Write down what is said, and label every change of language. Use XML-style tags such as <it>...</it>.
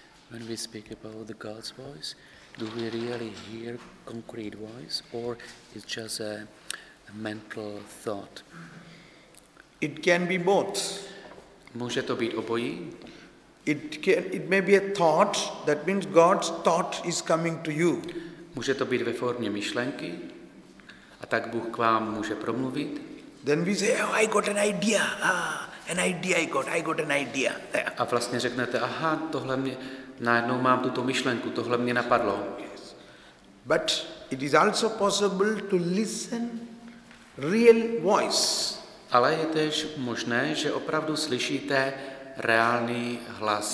<en>When we speak about the God's voice, do we really hear concrete voice, or is just a mental thought? It can be both.</en> <cs>Může to být obojí?</cs> <en>It may be a thought. That means God's thought is coming to you.</en> <cs>Může to být ve formě myšlenky, a tak Bůh k vám může promluvit.</cs> <en>Then we say, oh, I got an idea. Ah, an idea I got an idea.</en> <cs>A vlastně řeknete, aha, tohle mě najednou mám tuto myšlenku, tohle mě napadlo.</cs> <en>But it is also possible to listen real voice.</en> <cs>Ale je též možné, že opravdu slyšíte reálný hlas.</cs>